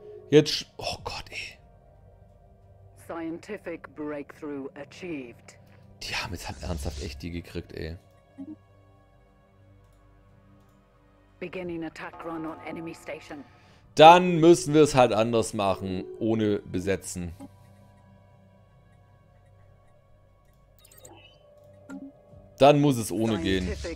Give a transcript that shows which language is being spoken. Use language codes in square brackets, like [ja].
[de] Jetzt. Oh Gott, ey. [en] Scientific breakthrough achieved. [de] Die haben jetzt halt ernsthaft echt die gekriegt, ey. [en] Beginning attack run on enemy station. [de] Dann müssen wir es halt anders machen, ohne besetzen. Dann muss es ohne gehen.